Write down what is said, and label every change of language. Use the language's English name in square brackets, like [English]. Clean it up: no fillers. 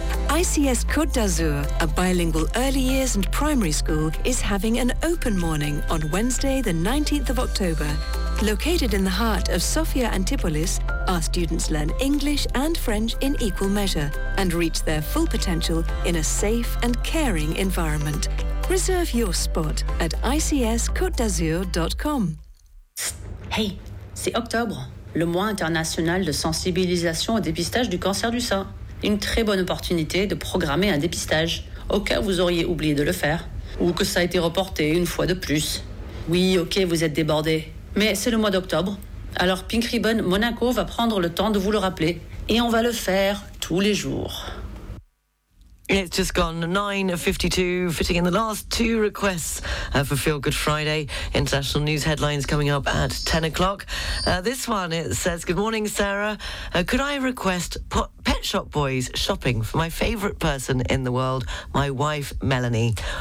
[English] ICS Côte d'Azur, a bilingual early years and primary school, is having an open morning on Wednesday, the 19th of October. Located in the heart of Sofia Antipolis, our students learn English and French in equal measure and reach their full potential in a safe and caring environment. Reserve your spot at icscôtedazur.com. [French] Hey, c'est octobre, le mois international de sensibilisation au dépistage du cancer du sein. Une très bonne opportunité de programmer un dépistage, au cas où vous auriez oublié de le faire, ou que ça a été reporté une fois de plus. Oui, ok, vous êtes débordés, mais c'est le mois d'octobre, alors Pink Ribbon Monaco va prendre le temps de vous le rappeler. Et on va le faire tous les jours. [English] It's just gone 9:52, fitting in the last two requests for Feel Good Friday. International news headlines coming up at 10 o'clock. This one, it says, good morning, Sarah. Could I request Pet Shop Boys shopping for my favourite person in the world, my wife, Melanie?